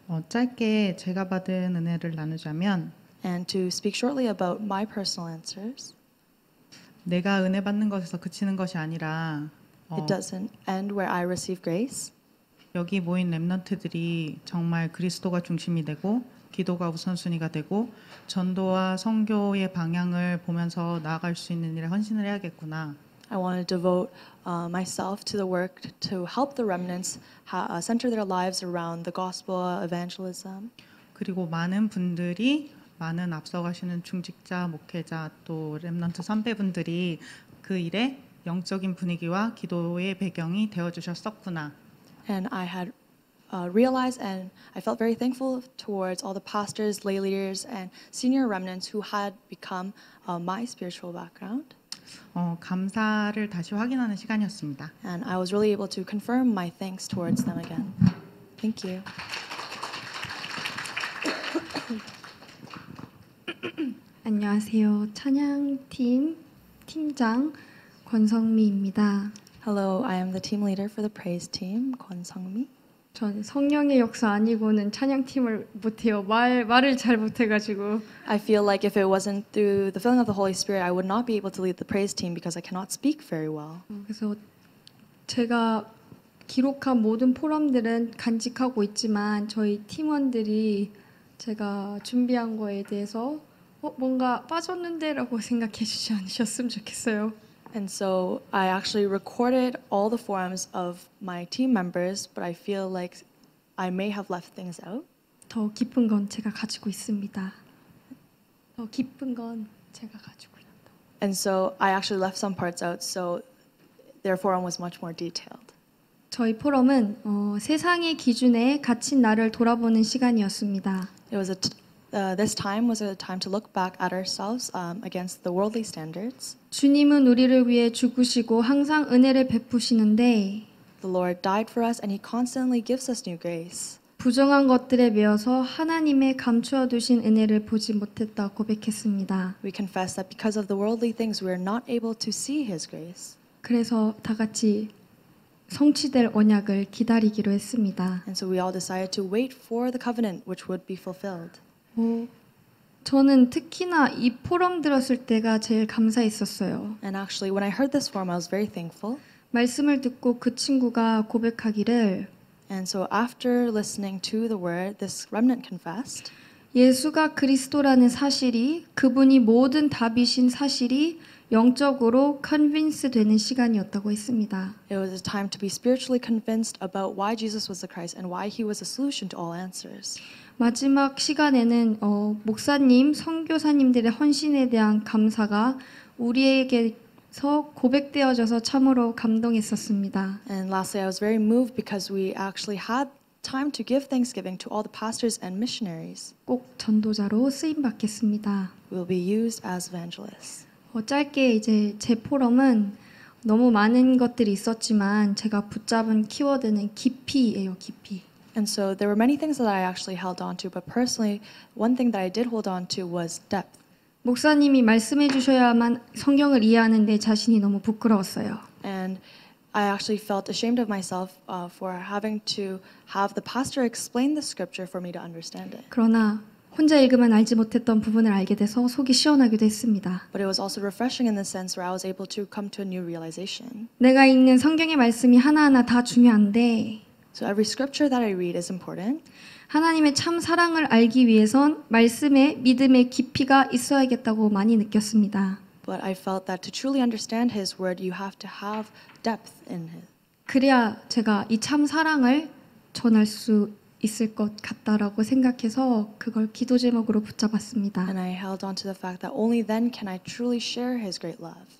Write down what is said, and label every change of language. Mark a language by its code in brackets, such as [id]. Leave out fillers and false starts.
[ko] 짧게 제가 받은 은혜를 나누자면, [en] and to speak shortly about my personal answers, [ko] 내가 은혜 받는 것에서 그치는 것이 아니라, [en] it doesn't end where I receive grace. [ko] 여기 모인 렘넌트들이 정말 그리스도가 중심이 되고 기도가 우선순위가 되고 전도와 선교의 방향을 보면서 나아갈 수 있는 일에 헌신을 해야겠구나. [en] I want to devote myself to the work to help the remnants center their lives around the gospel evangelism. [ko] 그리고 많은 분들이 많은 앞서가시는 중직자, 목회자 또 렘넌트 선배분들이 그 일에 영적인 분위기와 기도의 배경이 되어 주셨었구나. [en] And I had realized and I felt very thankful towards all the pastors, lay leaders, and senior remnants who had become my spiritual background. [ko] 감사를 다시 확인하는 시간이었습니다. [en] And I was really able to confirm my thanks towards them again. Thank you. [ko] 안녕하세요. 찬양팀 팀장 권성미입니다. [en] Hello, I am the team leader for the praise team, 권성미. [ko] 전 성령의 역사 아니고는 찬양팀을 못해요. 말을 잘 못해가지고. [en] I feel like if it wasn't through the filling of the Holy Spirit, I would not be able to lead the praise team because I cannot speak very well. [ko] 그래서 제가 기록한 모든 포럼들은 간직하고 있지만 저희 팀원들이 제가 준비한 거에 대해서 뭔가 빠졌는데라고 생각해 주지 않으셨으면 좋겠어요. [en] And so I actually recorded all the forums of my team members, but I feel like I may have left things out. [ko] 더 깊은 건 제가 가지고 있습니다. 더 깊은 건 제가 가지고 있다. [en] And so I actually left some parts out, so their forum was much more detailed. [ko] 저희 포럼은 세상의 기준에 갇힌 나를 돌아보는 시간이었습니다. [en] It was this time was a time to look back at ourselves against the worldly standards. [ko] 주님은 우리를 위해 죽으시고 항상 은혜를 베푸시는데 [en] The Lord died for us and he constantly gives us new grace. [ko] 부정한 것들에 매여서 하나님의 감추어 두신 은혜를 보지 못했다 고백했습니다. [en] We confess that because of the worldly things we are not able to see his grace. [ko] 그래서 다 같이 성취될 언약을 기다리기로 했습니다. [en] And so we all decided to wait for the covenant which would be fulfilled. [ko] 저는 특히나 이 포럼 들었을 때가 제일 감사했었어요. [en] And actually, when I heard this forum, I was very thankful. [ko] 말씀을 듣고 그 친구가 고백하기를 [en] And so after listening to the word, this remnant confessed. [ko] 예수가 그리스도라는 사실이 그분이 모든 답이신 사실이 영적으로 convinced 되는 시간이었다고 했습니다. [en] It was a time to be spiritually convinced about why Jesus was the Christ and why he was a solution to all answers. [ko] 마지막 시간에는 목사님, 선교사님들의 헌신에 대한 감사가 우리에게서 고백되어져서 참으로 감동했었습니다. [en] And lastly, I was very moved because we actually had time to give thanksgiving to all the pastors and missionaries. [ko] 꼭 전도자로 쓰임 받겠습니다. [en] We'll be used as evangelists. [ko] 짧게 이제 제 포럼은 너무 많은 것들이 있었지만 제가 붙잡은 키워드는 깊이예요, 깊이. [en] And so there were many things that I actually held on to, but personally, one thing that I did hold on to was depth. [ko] 목사님이 말씀해 주셔야만 성경을 이해하는 내 자신이 너무 부끄러웠어요. [en] And I actually felt ashamed of myself for having to have the pastor explain the scripture for me to understand it. [ko] 그러나 혼자 읽으면 알지 못했던 부분을 알게 돼서 속이 시원하기도 했습니다. [en] But it was also refreshing in the sense where I was able to come to a new realization. [ko] 내가 읽는 성경의 말씀이 하나하나 다 중요한데 [en] So every scripture that I read is important. [ko] 하나님의 참 사랑을 알기 위해선 말씀에 믿음의 깊이가 있어야겠다고 많이 느꼈습니다. [en] But I felt that to truly understand his word you have to have depth in it. [ko] 그래야 제가 이 참 사랑을 전할 수 있을 것 같다라고 생각해서 그걸 기도 제목으로 붙잡았습니다. [en] And I held on to the fact that only then can I truly share his great love.